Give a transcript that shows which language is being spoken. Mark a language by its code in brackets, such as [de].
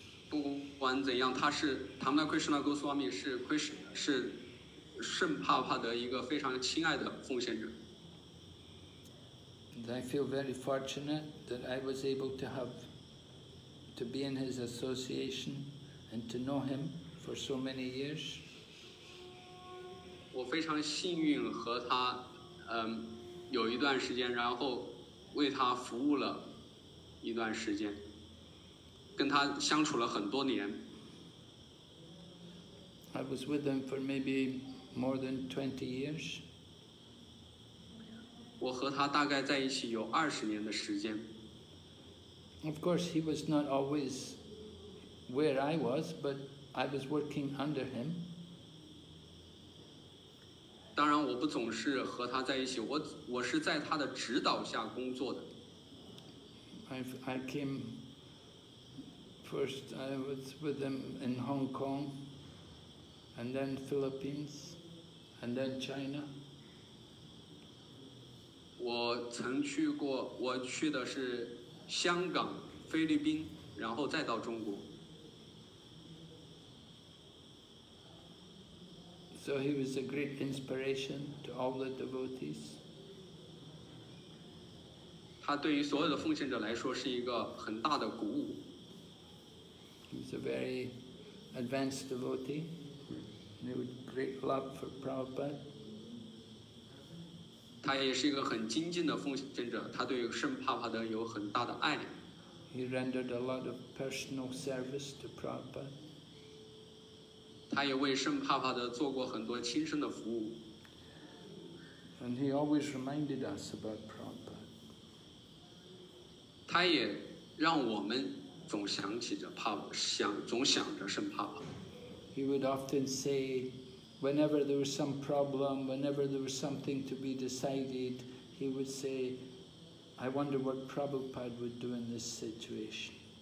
[zh] 不管怎样，他是 Tamna Krishna Goswami 是 Krishna 是圣帕帕的一个非常亲爱的奉献者。 [en] And I feel very fortunate that I was able to have to be in his association and to know him for so many years. [zh] 我非常幸运和他有一段时间，然后为他服务了一段时间，跟他相处了很多年。 [en] I was with him for maybe more than 20 years. [zh] 我和他大概在一起有20年的时间。 [en] Of course, he was not always where I was, but I was working under him. [zh] 当然，我不总是和他在一起，我是在他的指导下工作的。 [en] I came first. I was with him in Hong Kong, and then Philippines, and then China. [zh] 我曾去过，我去的是香港、菲律宾，然后再到中国。 [en] So he was a great inspiration to all the devotees. [zh] 他对于所有的奉献者来说是一个很大的鼓舞。 [en] He was a very advanced devotee. He had great love for Prabhupada. [zh] 他也是一个很精进的奉献者，他对圣帕帕德有很大的爱。 [en] He rendered a lot of personal service to Prabhupada. [zh] 他也为圣帕帕德做过很多亲身的服务。 [en] And he always reminded us about Prabhupada. [zh] 他也让我们总想起着帕帕，总想着圣帕帕。 [en] He would often say. Whenever there was some problem, whenever there was something to be decided, he would say, I wonder what Prabhupada would do in this situation.